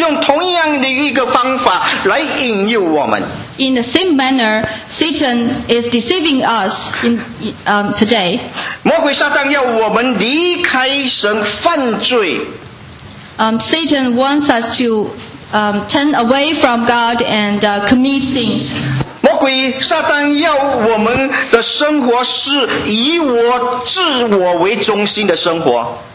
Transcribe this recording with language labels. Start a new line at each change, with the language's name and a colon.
Chinese: 今天照样的魔鬼撒旦还是用同样的一个方法来引诱我们。
English: In the same manner, Satan is deceiving us today.
Chinese: 魔鬼撒旦要我们离开神犯罪。
English: Satan wants us to turn away from God and commit sins.
Chinese: 魔鬼撒旦要我们的生活是以我自我为中心的生活。